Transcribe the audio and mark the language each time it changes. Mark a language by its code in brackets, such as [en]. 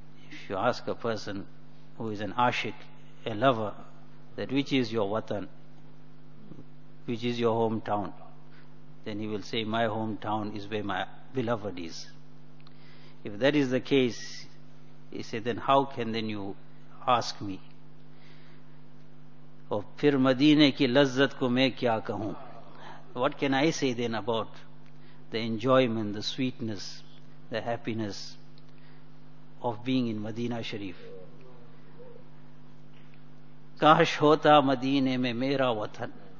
[en] If you ask a person who is an aashiq, a lover, that which is your watan, which is your hometown, then he will say, my hometown is where my beloved is. If that is the case, he said, then how can then you ask me? [ur] اور پھر مدینے کی لذت کو میں کیا کہوں. [en] What can I say then about the enjoyment, the sweetness, the happiness of being in Madina Sharif? [ur] کاش ہوتا مدینے میں میرا وطن.